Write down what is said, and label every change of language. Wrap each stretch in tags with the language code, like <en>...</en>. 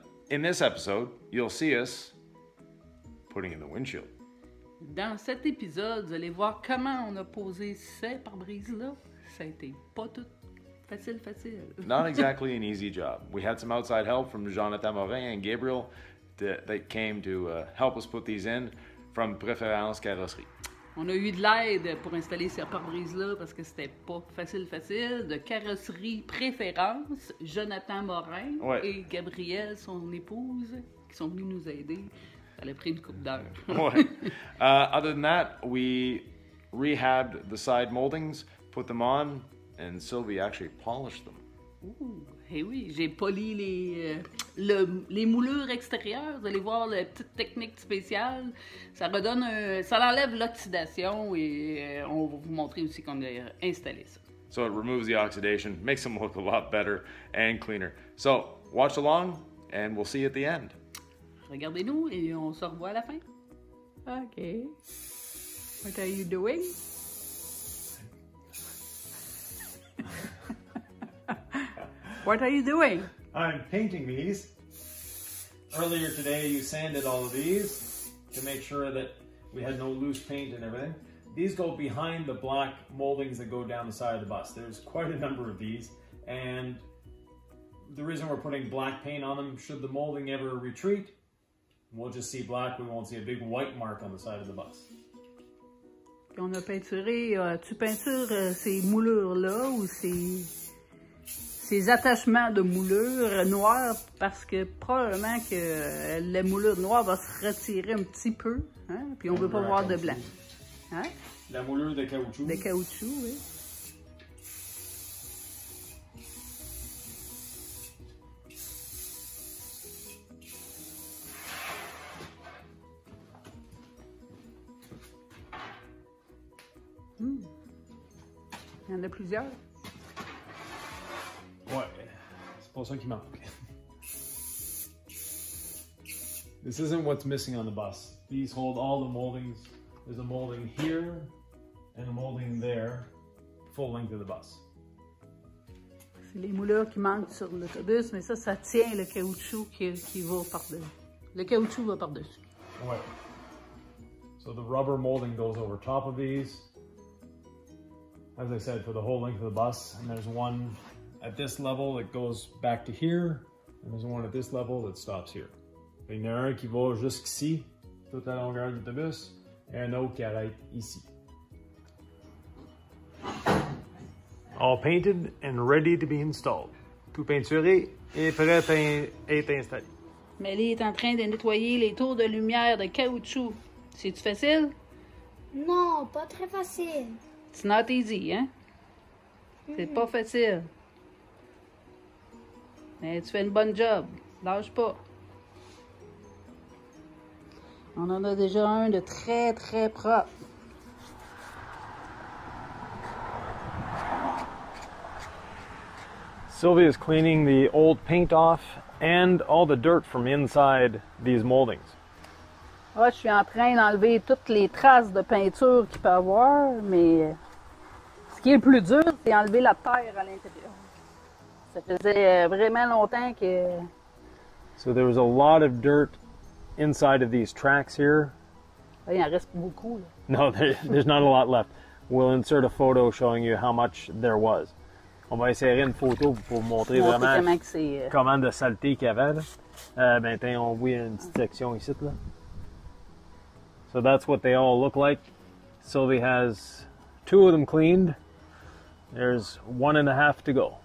<en>In this episode, you'll see us putting in the windshield.</en> <fr>Dans cet épisode, vous allez voir comment on a posé ces pare-brises-là. Ça a été pas tout facile.</fr> <en>Not exactly an easy job. We had some outside help from Jonathan Morin and Gabriel that came to help us put these in from Préférence Carrosserie.</en> <fr>On a eu de l'aide pour installer ces pare-brises-là parce que c'était pas facile. De Carrosserie Préférence, Jonathan Morin et Gabriel, son épouse, qui sont venus nous aider.</fr> <en>Other than that, we rehabbed the side moldings, put them on, and Sylvie actually polished them.</en> <fr>Ooh, hey, oui, j'ai poli les moulures extérieures. Vous allez voir la petite technique spéciale. Ça redonne, ça enlève l'oxydation, et on va vous montrer aussi qu'on a installé ça.</fr> <en>So it removes the oxidation, makes them look a lot better and cleaner. So watch along, and we'll see you at the end. Regardez-nous et on se revoit à la fin. Okay. What are you doing? What are you doing? I'm painting these. Earlier today, you sanded all of these to make sure that we had no loose paint and everything. These go behind the black moldings that go down the side of the bus. There's quite a number of these, and the reason we're putting black paint on them, should the molding ever retreat, we'll just see black, we won't see a big white mark on the side of the bus.</en> <fr>On a peinturé, tu peintures ces moulures-là ou ces attachements de moulures noires parce que probablement que la moulure noire va se retirer un petit peu, hein? Puis on veut pas voir de blanc. Hein? La moulure de caoutchouc. De caoutchouc, oui. Il y en a plusieurs. Ouais, c'est pas ça qui manque.</fr> <en>This isn't what's missing on the bus. These hold all the moldings. There's a molding here and a molding there, full length of the bus.</en> <fr>C'est les moulures qui manquent sur l'autobus, mais ça tient le caoutchouc qui va par-dessus. Le caoutchouc va par-dessus.</fr> <en>Ouais. So the rubber molding goes over top of these. As I said, for the whole length of the bus, and there's one at this level that goes back to here, and there's one at this level that stops here.</en> <fr>Il y en a un qui va jusqu'ici, toute la longueur de l'autobus, et un autre qui arrête ici.</fr> <en>All painted and ready to be installed.</en> <fr>Tout peinturé et prêt à être installé. Mélie est en train de nettoyer les tours de lumière de caoutchouc. C'est-tu facile? Non, pas très facile.</fr> <en>It's not easy, hein? Mm-hmm.</en> <fr>C'est pas facile. Mais tu fais une bonne job. Lâche pas. On en a déjà un de très, très propre.</fr> <en>Sylvie is cleaning the old paint off and all the dirt from inside these moldings.</en> <fr>Ah, je suis en train d'enlever toutes les traces de peinture qu'il peut avoir, mais... Ce qui est le plus dur, c'est enlever la terre à l'intérieur. Ça faisait vraiment longtemps que...</fr> <en>So there was a lot of dirt inside of these tracks here.</en> <fr>Il en reste beaucoup. Là.</fr> <en>No, there's not a lot left. We'll insert a photo showing you how much there was.</en> <fr>On va essayer une photo pour montrer vraiment comment de saleté qu'il y avait. Maintenant, on voit une petite section ici. Là.</fr> <en>So that's what they all look like. Sylvie has two of them cleaned. There's one and a half to go.</en>